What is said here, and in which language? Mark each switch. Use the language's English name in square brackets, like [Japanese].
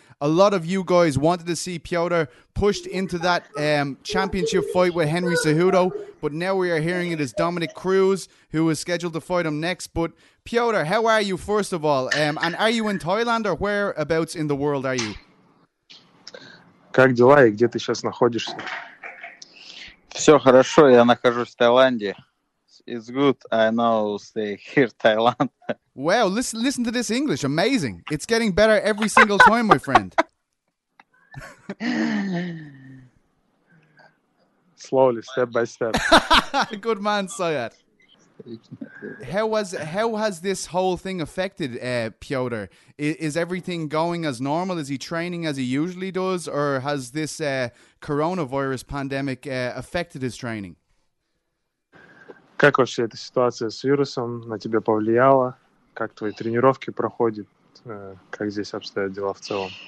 [English] A lot of you guys wanted to see Pyotr pushed into that championship fight with Henry Cejudo, but now we are hearing it is Dominic Cruz who is scheduled to fight him next. But Pyotr, how are you, first of all? And are you in Thailand, or whereabouts in the world are you? [Russian] Как дела и где ты сейчас находишься? Все хорошо, я нахожусь в Таиланде. [English] It's good. I know stay here Thailand. Wow, listen to this English. Amazing. It's getting better every single time, my friend. Slowly, step by step. Good man, Syed. How has this whole thing affected Pyotr? Is everything going as normal? Is he training as he usually does? Or has this coronavirus pandemic affected his training? [Russian] Как вообще эта ситуация с вирусом на тебя повлияла? Как твои тренировки проходят? Как здесь обстоят дела в целом?